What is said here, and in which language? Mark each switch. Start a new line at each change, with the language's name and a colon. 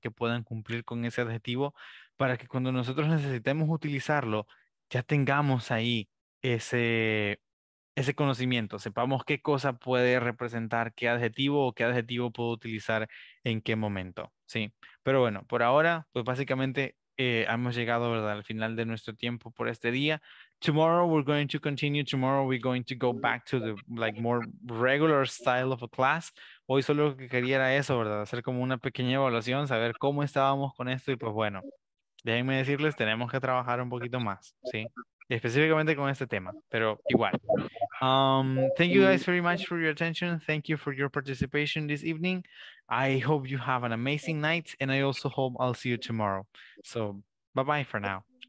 Spanish: Que puedan cumplir con ese adjetivo para que cuando nosotros necesitemos utilizarlo, ya tengamos ahí ese conocimiento, sepamos qué cosa puede representar qué adjetivo o qué adjetivo puedo utilizar en qué momento, ¿sí? Pero bueno, por ahora, pues básicamente hemos llegado, ¿verdad?, al final de nuestro tiempo por este día.
English: Tomorrow we're going to continue, tomorrow we're going to go back to the like more regular style of a class.
Spanish: Hoy solo lo que quería era eso, ¿verdad?, hacer como una pequeña evaluación, saber cómo estábamos con esto y pues bueno, déjenme decirles, tenemos que trabajar un poquito más, ¿sí? Específicamente con este tema, pero igual.
English: Thank you guys very much for your attention. Thank you for your participation this evening. I hope you have an amazing night, and I also hope I'll see you tomorrow. So, bye-bye for now.